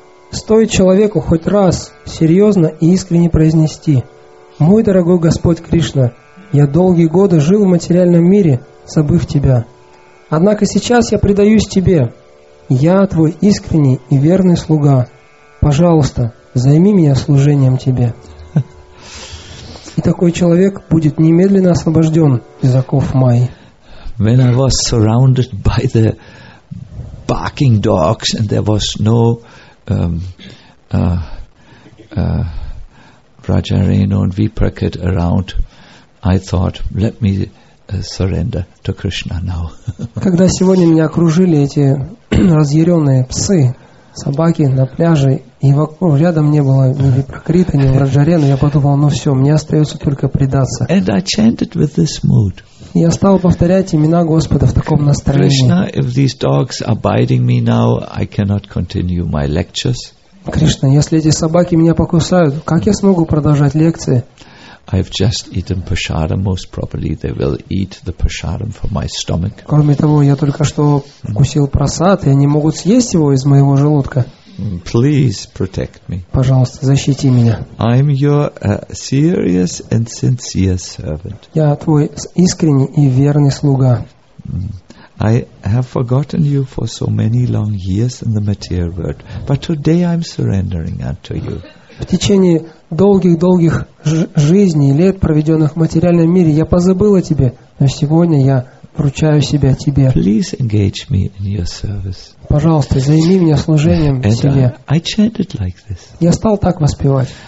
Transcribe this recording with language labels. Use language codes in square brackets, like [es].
[ru] Стоит человеку хоть раз серьезно и искренне произнести: «Мой дорогой Господь Кришна, я долгие годы жил в материальном мире, забыв Тебя. Однако сейчас я предаюсь Тебе. Я Твой искренний и верный слуга. Пожалуйста, займи меня служением Тебе». И такой человек будет немедленно освобожден из оков Майи. [en] When I was surrounded by the barking dogs and there was no Vrajareno and Viprakit around, I thought, let me surrender to Krishna now. [ru] Когда сегодня меня окружили эти разъяренные псы, собаки на пляже, и вокруг, рядом не было ни Пракрита, ни Враджарена, я подумал, ну все, мне остается только предаться. [en] And I chanted with this mood. [ru] Я стал повторять имена Господа в таком настроении. [en] Krishna, if these dogs are biting me now, I cannot continue my lectures. [ru] Кришна, если эти собаки меня покусают, как я смогу продолжать лекции? [en] I've just eaten prasadam. Most probably, they will eat the prasadam for my stomach. [ru] Кроме того, я только что вкусил просад, и они могут съесть его из моего желудка. [en] Please protect me. [ru] Пожалуйста, защити меня. [en] I'm your serious and sincere servant. [ru] Я твой искренний и верный слуга. [en] I have forgotten you for so many long years in the material world, but today I'm surrendering unto you. [ru] В течение долгих-долгих жизней, лет, проведенных в материальном мире, я позабыл о тебе, но сегодня я вручаю себя тебе. [en] Please engage me in your service. [ru] Пожалуйста, займи меня служением тебе. [en] I chanted like this. [ru] Я стал так воспевать.